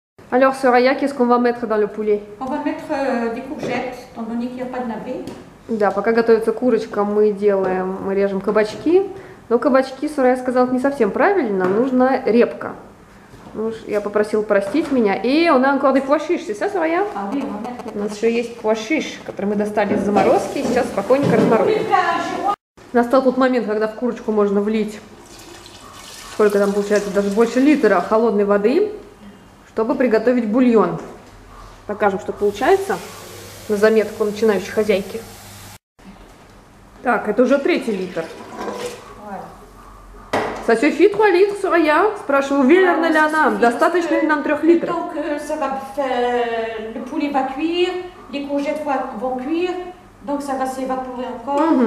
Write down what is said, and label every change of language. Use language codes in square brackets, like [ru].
[fr] Alors, Сарая, qu'est-ce qu'on va mettre dans le poulet? On va mettre des courgettes, étant donné qu'il n'y a pas de navets. [ru] Да, пока готовится курочка, мы делаем, мы режем кабачки. Но кабачки, Сарая сказала, не совсем правильно, нужна репка. Ну, я попросила простить меня. И у нас [fr] encore des pois chiches, c'est ça, Сарая? [ru] У нас еще есть pois chiches, который мы достали из заморозки, и сейчас спокойненько разморозим. Настал тот момент, когда в курочку можно влить, сколько там получается, даже больше литра холодной воды, чтобы приготовить бульон. Покажем, что получается на заметку начинающей хозяйки. Так, это уже третий литр. [fr] Ça suffit [ru] 3 литров, Сарая? Спрашиваю, уверена ли она? Достаточно ли нам 3 литров? [fr] Tant que ça va faire, le poulet va cuire, les courgettes vont cuire, donc ça va s'évaporer encore.